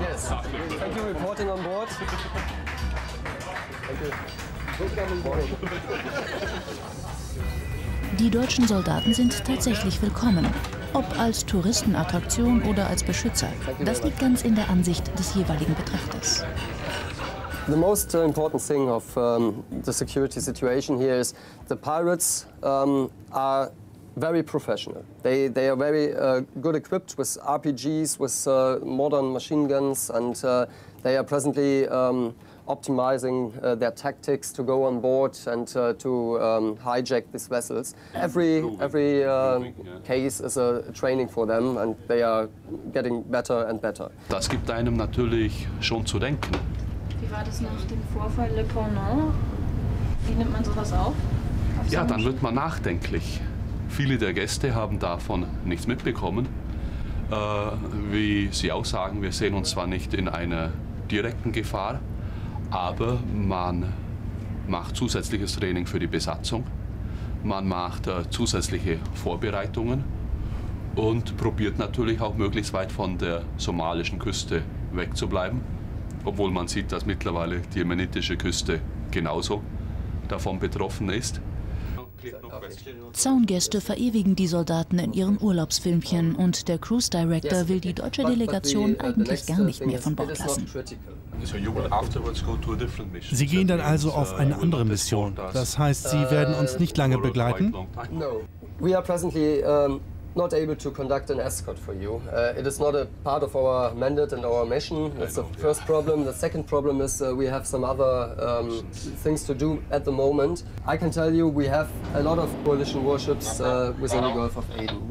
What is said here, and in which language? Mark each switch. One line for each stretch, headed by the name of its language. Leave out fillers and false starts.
English: Yes. Thank you for reporting on board.
German: Die deutschen Soldaten sind tatsächlich willkommen. Ob als Touristenattraktion oder als Beschützer. Das liegt ganz in der Ansicht des jeweiligen Betrachters.
English: The most important thing of the security situation here is the pirates are very professional. They are very good equipped with RPGs, with modern machine guns, and they are presently optimizing their tactics to go on board and to hijack these vessels. Every case is a training for them and they are getting better and better.
German: Das gibt einem natürlich schon zu denken. Wie war das nach dem Vorfall Le Pornon? Wie nimmt man sowas auf? Ja, dann wird man nachdenklich. Viele der Gäste haben davon nichts mitbekommen. Wie Sie auch sagen, wir sehen uns zwar nicht in einer direkten Gefahr, aber man macht zusätzliches Training für die Besatzung, man macht zusätzliche Vorbereitungen und probiert natürlich auch möglichst weit von der somalischen Küste wegzubleiben, obwohl man sieht, dass mittlerweile die jemenitische Küste genauso davon betroffen ist. Zaungäste verewigen die Soldaten in ihren Urlaubsfilmchen und der Cruise Director will die deutsche Delegation eigentlich gar nicht mehr von Bord lassen. Sie gehen dann also auf eine andere Mission. Das heißt, Sie werden uns nicht lange begleiten?
English: No. We are presently not able to conduct an escort for you. It is not a part of our mandate and our mission. That's the first problem. The second problem is we have some other things to do at the moment. I can tell you we have a lot of coalition warships within the Gulf of Aden.